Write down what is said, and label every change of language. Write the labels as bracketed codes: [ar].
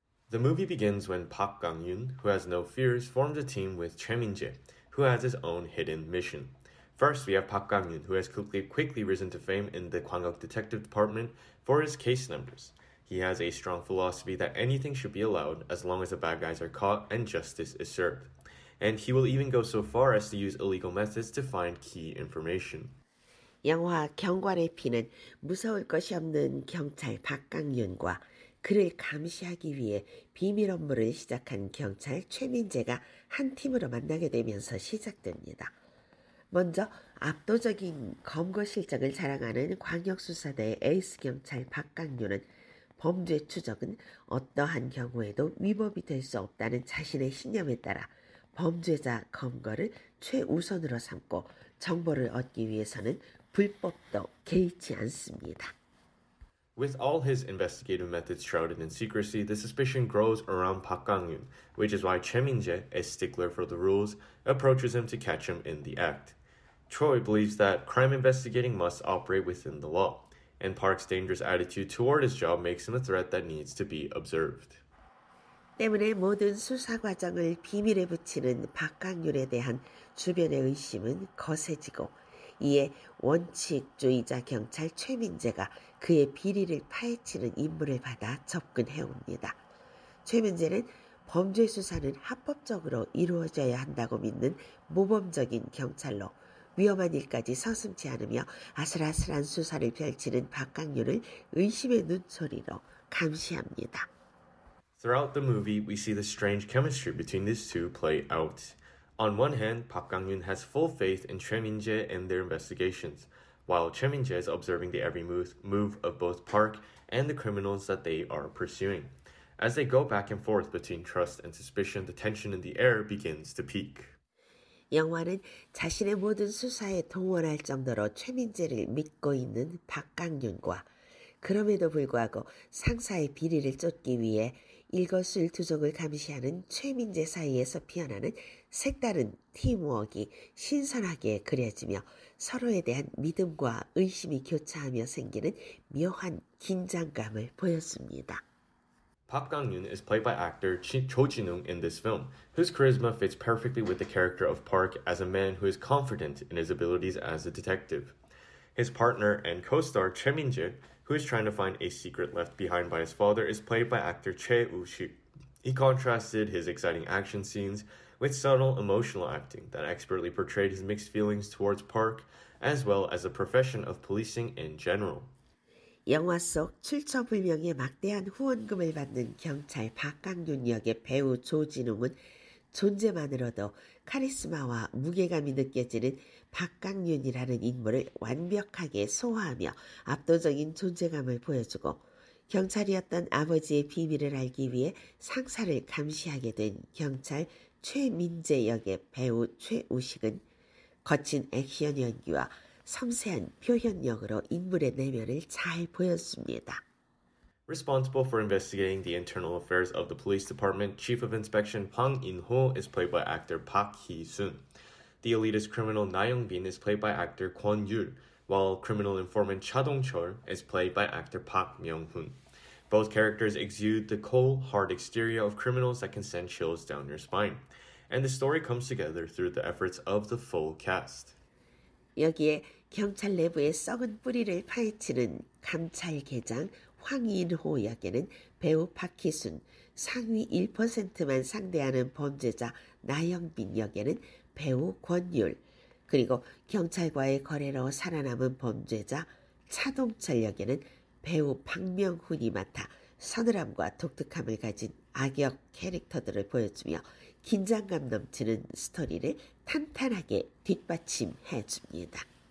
[en] The movie begins when Park Kang-yoon, who has no fears, forms a team with Choi Min-jae, who has his own hidden mission. First, we have Park Kang-yoon, who has quickly risen to fame in the Gwangyok Detective Department for his case numbers. He has a strong philosophy that anything should be allowed as long as the bad guys are caught and justice is served. And he will even go so far as to use illegal methods to find key information. [ko] 영화 경관의 피는 무서울 것이 없는 경찰 박강윤과 그를 감시하기 위해 비밀 업무를 시작한 경찰 최민재가 한 팀으로 만나게 되면서 시작됩니다. 먼저 압도적인 검거 실적을 자랑하는 광역수사대 에이스 경찰 박강윤은 범죄 추적은 어떠한 경우에도 위법이 될 수 없다는 자신의 신념에 따라 범죄자 검거를 최우선으로 삼고 정보를 얻기 위해서는 불법도 개의치 않습니다. [en] With all his investigative methods shrouded in secrecy, the suspicion grows around Park Kang-yoon, which is why Choi Min-jae, a stickler for the rules, approaches him to catch him in the act. Choi believes that crime investigating must operate within the law, and Park's dangerous attitude toward his job makes him a threat that needs to be observed. [ko] 때문에 모든 수사 과정을 비밀에 붙이는 박 강윤에 대한 주변의 의심은 거세지고 이에 원칙주의자 경찰 최민재가 그의 비리를 파헤치는 임무를 받아 접근해옵니다. 최민재는 범죄 수사는 합법적으로 이루어져야 한다고 믿는 모범적인 경찰로 위험한 일까지 서슴지 않으며 아슬아슬한 수사를 펼치는 박 강윤을 의심의 눈초리로 감시합니다. [en] Throughout the movie, we see the strange chemistry between these two play out. On one hand, Park Kang-yoon has full faith in Choi Min-jae and their investigations, while Choi Min-jae is observing the every move of both Park and the criminals that they are pursuing. As they go back and forth between trust and suspicion, the tension in the air begins to peak. [ko] 영화는 자신의 모든 수사에 동원할 정도로 Choi Min-jae를 믿고 있는 Park Kang-yoon과 그럼에도 불구하고 상사의 비리를 쫓기 위해 일거수일투족을 감시하는 최민재 사이에서 피어나는 색다른 팀워크가 신선하게 그려지며 서로에 대한 믿음과 의심이 교차하며 생기는 묘한 긴장감을 보였습니다. [en] Park Kang-yoon is played by actor Cho Jin-woong in this film, whose charisma fits perfectly with the character of Park as a man who is confident in his abilities as a detective. His partner and co-star Choi Min-jae, who is trying to find a secret left behind by his father, is played by actor Choi Woo-shik. He contrasted his exciting action scenes with subtle emotional acting that expertly portrayed his mixed feelings towards Park, as well as the profession of policing in general. [ko] 영화 속 출처불명의 막대한 후원금을 받는 경찰 박 강윤 역의 배우 조 진웅은 존재만으로도 카리스마와 무게감이 느껴지는 박강윤이라는 인물을 완벽하게 소화하며 압도적인 존재감을 보여주고 경찰이었던 아버지의 비밀을 알기 위해 상사를 감시하게 된 경찰 최민재 역의 배우 최우식은 거친 액션 연기와 섬세한 표현력으로 인물의 내면을 잘 보였습니다. [en] Responsible for investigating the internal affairs of the police department, Chief of Inspection Pang In-ho is played by actor Park Hee-sun. The elitist criminal Na Young-bin is played by actor Kwon Yul, while criminal informant Cha Dong-chul is played by actor Park Myung-hoon. Both characters exude the cold, hard exterior of criminals that can send chills down your spine. And the story comes together through the efforts of the full cast. [ko] 여기에 경찰 내부의 썩은 뿌리를 파헤치는 감찰계장 황인호 역에는 배우 박희순, 상위 1%만 상대하는 범죄자 나영빈 역에는 배우 권율, 그리고 경찰과의 거래로 살아남은 범죄자 차동철 역에는 배우 박명훈이 맡아 서늘함과 독특함을 가진 악역 캐릭터들을 보여주며 긴장감 넘치는 스토리를 탄탄하게 뒷받침해줍니다.